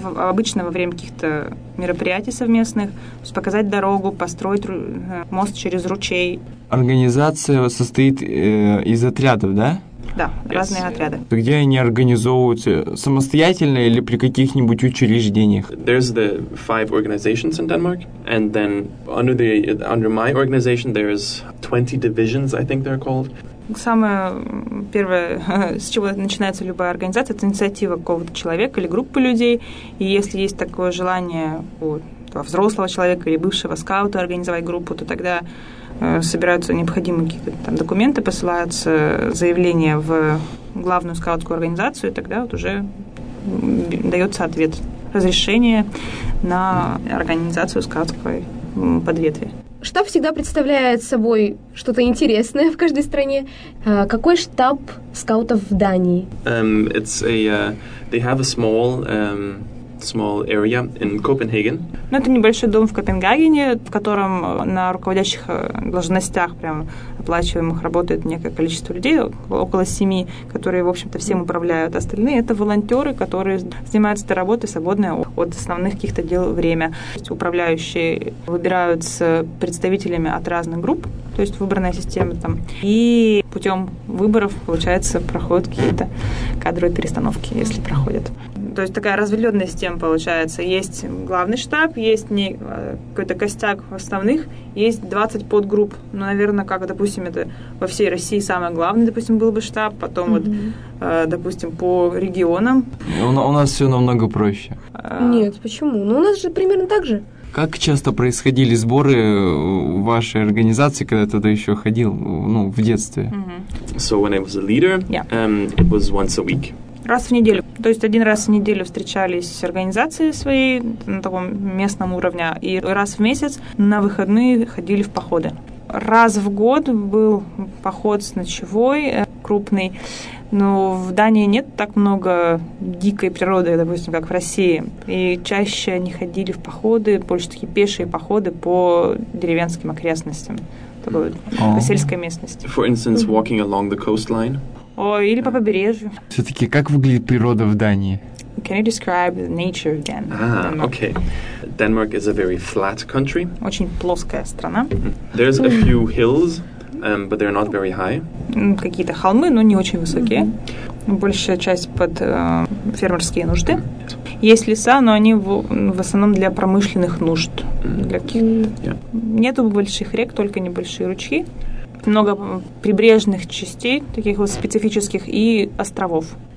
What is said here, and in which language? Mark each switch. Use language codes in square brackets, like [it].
[ru] Обычно во время каких-то мероприятий совместных, то есть показать дорогу, построить мост через ручей. Организация состоит из отрядов, да? Да, [en] yes. [ru] Разные отряды. Где они организовываются? Самостоятельно или при каких-нибудь учреждениях? [en] There's the 5 organizations in Denmark, and then under my organization there's 20 divisions, I think they're called. [ru] Самое первое, с чего начинается любая организация, это инициатива какого-то человека или группы людей. И если есть такое желание у взрослого человека или бывшего скаута организовать группу, то тогда собираются необходимые какие-то там документы, посылаются заявления в главную скаутскую организацию, и тогда вот уже дается ответ, разрешение на организацию скаутской подветви. Штаб всегда представляет собой что-то интересное в каждой стране. Какой штаб скаутов в Дании? [en] They have a small small area in Copenhagen. [ru] Ну, это небольшой дом в Копенгагене, в котором на руководящих должностях прям оплачиваемых работает некое количество людей, около 7, которые, в общем-то, всем управляют. Остальные — это волонтеры, которые занимаются этой работой свободное от основных каких-то дел время. То есть управляющие выбираются представителями от разных групп, то есть выбранная система там. И путем выборов, получается, проходят какие-то кадровые перестановки, если проходят. То есть такая разветвленная система получается. Есть главный штаб, есть какой-то костяк основных, есть 20 подгрупп. Ну, наверное, как, допустим, это во всей России самый главный, допустим, был бы штаб, потом mm-hmm. вот, допустим, по регионам. У нас все намного проще. Нет, почему? Ну, у нас же примерно так же. Как часто происходили сборы вашей организации, когда ты туда еще ходил, ну, в детстве? [en] So when I was a leader, it was once a week. [ru] Раз в неделю. То есть один раз в неделю встречались организации свои на таком местном уровне, и раз в месяц на выходные ходили в походы. Раз в год был поход с ночевой крупный. Но в Дании нет так много дикой природы, допустим, как в России. И чаще они ходили в походы, больше такие пешие походы по деревенским окрестностям, по сельской местности. [en] For instance, walking along the coastline. [ru] Или по побережью. Все-таки, как выглядит природа в Дании? [en] Can you describe the nature of Denmark? Okay. Denmark is a very flat country. [ru] Очень плоская страна. [en] There's a few hills, but they're not very high. [ru] Какие-то холмы, но не очень высокие. Большая часть под фермерские нужды. Есть леса, но они в основном для промышленных нужд. Для каких-то. Нету больших рек, только небольшие ручьи. Много прибрежных частей, таких вот специфических, и островов.